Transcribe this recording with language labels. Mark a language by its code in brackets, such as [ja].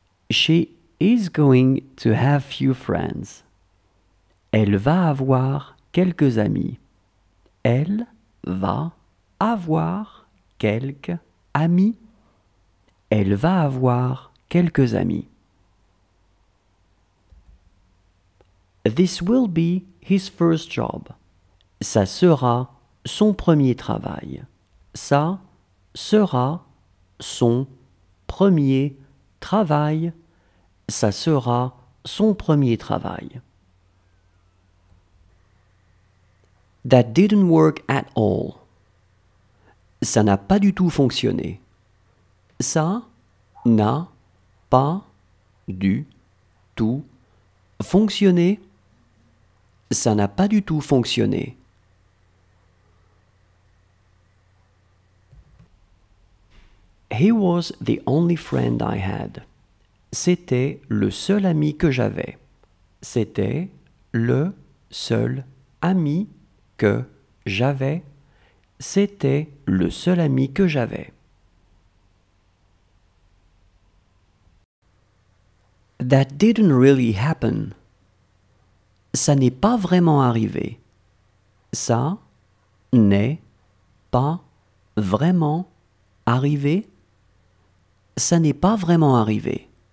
[en] She is going to have few friends. [fr] Elle va avoir quelques amis. Elle va avoir quelques amis. Elle va avoir quelques amis. [en] This will be his first job. [fr] Ça sera son premier travail. Ça sera son premier travail. Ça sera son premier travail. [en] That didn't work at all. [fr] Ça n'a pas du tout fonctionné. Ça n'a pas du tout fonctionné. Ça n'a pas du tout fonctionné. [en] He was the only friend I had. [fr] C'était le seul ami que j'avais. C'était le seul ami que j'avais. C'était le seul ami que j'avais. [en] That didn't really happen. [fr] Ça n'est pas vraiment arrivé. Ça n'est pas vraiment arrivé. Ça n'est pas vraiment arrivé.